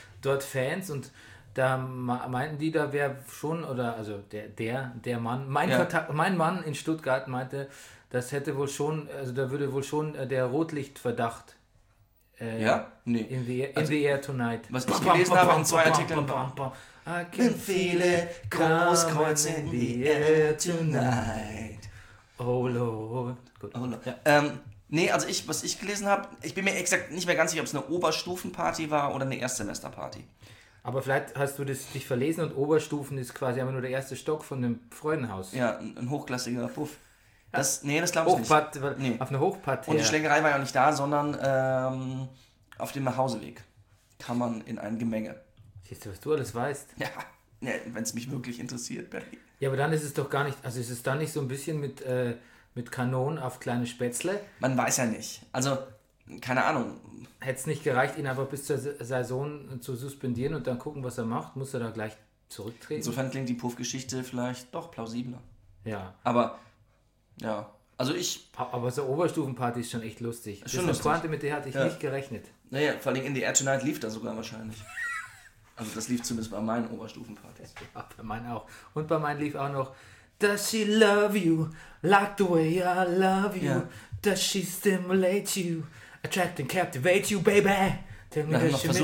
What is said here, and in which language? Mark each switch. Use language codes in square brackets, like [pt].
[de] Dort Fans und da meinten die, da wäre schon oder also der Mann, mein Mann in Stuttgart meinte, das hätte wohl schon, also da würde wohl schon der Rotlichtverdacht Ja? Nee. [en] In the Air Tonight. [de] Was ich gelesen habe in zwei Artikeln. [en] I can feel it, Großkreuz in the Air Tonight. Oh Lord. [de] Gut. [en] Oh Lord. [de] Ja. Nee, also ich, was ich gelesen habe, ich bin mir exakt nicht mehr ganz sicher, ob es eine Oberstufenparty war oder eine Erstsemesterparty. Aber vielleicht hast du das dich verlesen und Oberstufen ist quasi aber nur der erste Stock von dem Freudenhaus. Ja, ein hochklassiger Puff. Das, nee, das glaube ich nicht. Nee. Auf eine Hochparty. Und die Schlägerei war ja nicht da, sondern auf dem Nachhauseweg kann man in ein Gemenge. Siehst du, was du alles weißt? Ja, nee, wenn es mich wirklich interessiert, Barry. Ja, aber dann ist es doch gar nicht, also ist es dann nicht so ein bisschen mit Kanonen auf kleine Spätzle? Man weiß ja nicht. Also, keine Ahnung. Hätte es nicht gereicht, ihn einfach bis zur Saison zu suspendieren und dann gucken, was er macht? Muss er da gleich zurücktreten? Insofern klingt die Puff-Geschichte vielleicht doch plausibler. Ja. Aber, ja. Also ich... Aber so Oberstufenparty ist schon echt lustig. Ist schon lustig. Pointe, mit der hatte ich nicht gerechnet. Naja, vor allem in The Air Tonight lief da sogar wahrscheinlich. Also das lief zumindest bei meinen Oberstufenpartys. Ja, bei meinen auch. Und bei meinen lief auch noch... [en] Does she love you like the way I love you? Yeah. Does she stimulate you, attract and captivate you, baby? Tell me, nein, does she miss you?